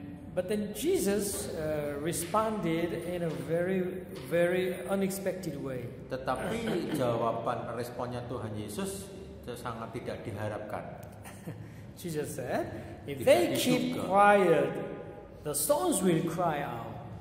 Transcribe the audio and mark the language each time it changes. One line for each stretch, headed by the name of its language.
English: But then Jesus responded in a very, very unexpected way.
Indonesian: Tetapi jawaban responnya Tuhan Yesus sangat tidak diharapkan.
English: Jesus said, "If they keep quiet, the stones will cry out."